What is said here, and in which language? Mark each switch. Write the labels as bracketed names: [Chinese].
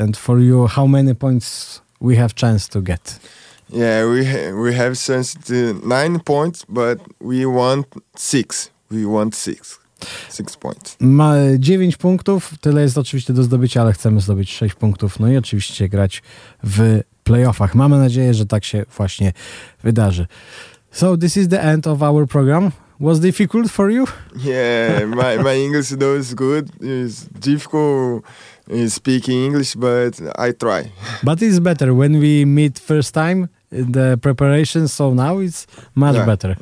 [English] And for you, how many points we have chance to get? Yeah, we have chance to 9 points, but we want 6. We want 6. 6 points. [Polish] Ma 9 punktów, tyle jest oczywiście do zdobycia, ale chcemy zdobyć 6 punktów, no i oczywiście grać w playoffach. Mamy nadzieję, że tak się właśnie wydarzy. [English] So this is the end of our program. Was difficult for you? Yeah, my English though is good. It's difficult speaking English, but I try. But it's better when we meet first time. The preparation, so now it's much better.